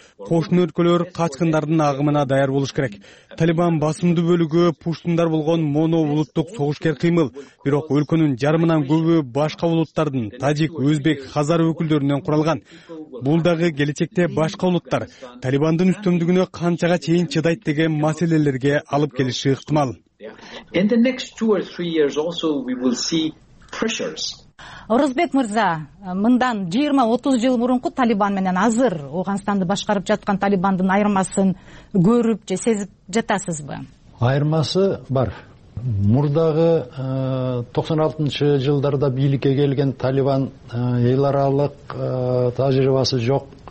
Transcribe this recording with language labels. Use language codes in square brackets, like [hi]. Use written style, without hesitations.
[ky] Кошуна өлкөлөр качкындардын агымына даяр болуш керек. Талибан басымдуу бөлүгү пуштундар болгон моно улуттук согушкер кыймыл, бирок өлкөнүн жарымынан көбү башка улуттардын тажик, өзбек, хазар өкүлдөрүнөн куралган. Бул дагы келечекте башка улуттар Талибандын үстөмдүгүнө канчага чейин чыдайт деген маселелерге алып келиши ыктымал. [en] In the next 2 or 3 years also we will see pressures. [ky] Орозбек мырза, мындан 20-30 жыл мурунку Талибан менен азыр Ооганстанды башкарып жаткан Талибандын айырмасын көрүп же сезип жатасызбы? Айырмасы бар. Мурдагы 96-чы жылдарда бийликке келген Талибан эл аралык тажрыйбасы жок.